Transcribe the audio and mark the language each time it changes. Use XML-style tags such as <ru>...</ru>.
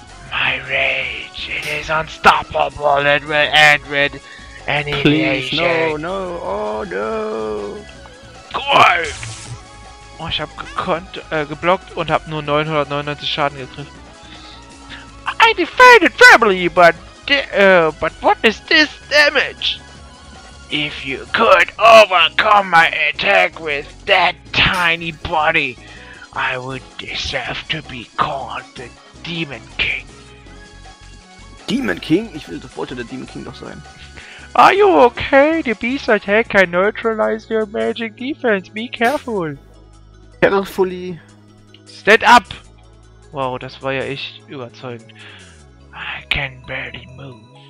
<en>My rage, it is unstoppable, it will end with annihilation. No, no, oh no! Quiet!</en> <de>Oh, ich hab geblockt und hab nur 999 Schaden gekriegt.</de> <en>I defended family, but what is this damage? If you could overcome my attack with that tiny body, I would deserve to be called the Demon King. Demon King?</en> <de>Ich will sofort der Demon King doch sein.</de> <en>Are you okay? The beast attack can neutralize your magic defense. Be careful. Carefully. Stand up!</en> <de>Wow, das war ja echt überzeugend.</de> <en>I can barely move.</en>